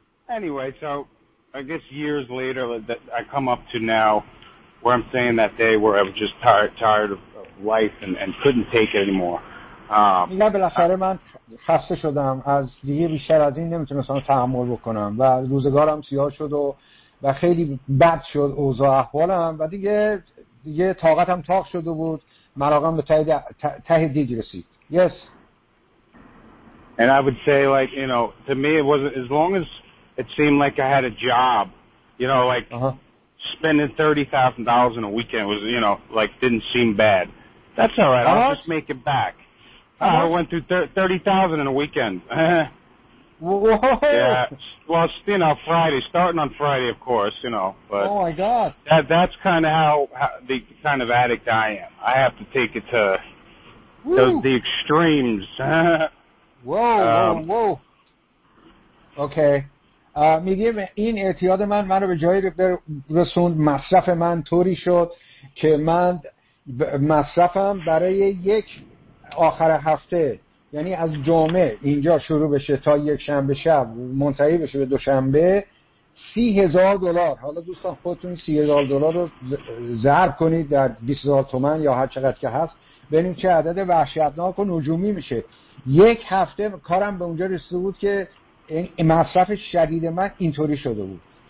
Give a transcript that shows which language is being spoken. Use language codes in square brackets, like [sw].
[en] Anyway, so I guess years later, that I come up to now, where I'm staying that day, where I was just tired of life and couldn't take it anymore. [fa] نه بالاخره من خسته شدم از دیگه بیشتر از این نمیتونستم تحمل بکنم و روزگارم سیاه شد و خیلی بد شد اوضاع احوالم و دیگه طاقتم تاق شده بود مراقم به ته دیگ رسید. [en] Yes. And I would say, like, you know, to me it wasn't as long as it seemed like I had a job, you know, like spending $30,000 in a weekend was, you know, like didn't seem bad. That's all right. I'll just make it back. I went through $30,000 in a weekend. Whoa. Yeah. Well, you know, Friday, starting on Friday, of course, you know. But oh, my God. That's kind of how the kind of addict I am. I have to take it to the extremes. whoa. Okay. [fa] میگه این اعتیاد من رو به جایی رسوند مصرف من طوری شد که من مصرفم برای یک آخر هفته یعنی از جمعه اینجا شروع بشه تا یک شنبه شب منتهی بشه به دوشنبه $30,000 حالا دوستان خودتون $30,000 رو ضرب کنید در 20,000 تومان یا هر چقدر که هست ببینید چه عدد وحشتناک و نجومی میشه یک هفته کارم به اونجا رسیده بود که این مصرف شدید من اینطوری شده بود.